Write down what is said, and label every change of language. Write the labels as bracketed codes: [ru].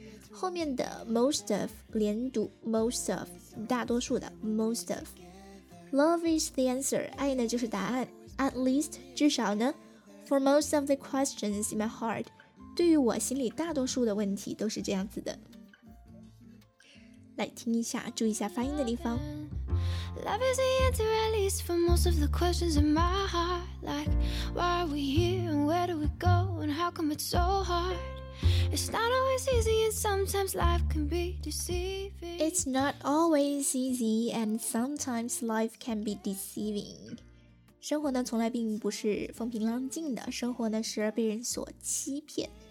[zh] 后面的 most of 连读 most of， 大多数的 most of。 [en] Love is the answer， [zh] 爱呢就是答案。at least 至少呢， [en] for most of the questions in my heart， [zh] 对于我心里大多数的问题都是这样子的。来听一下，注意一下发音的地方。 [en] Love is the answer at least for most of the questions in my heart. Like, why are we here and where do we go and how come it's so hard? It's not always easy and sometimes life can be deceiving. It's not always easy and sometimes life can be deceiving. [zh] 生活呢从来并不是风平浪静的，生活呢时而被人所欺骗。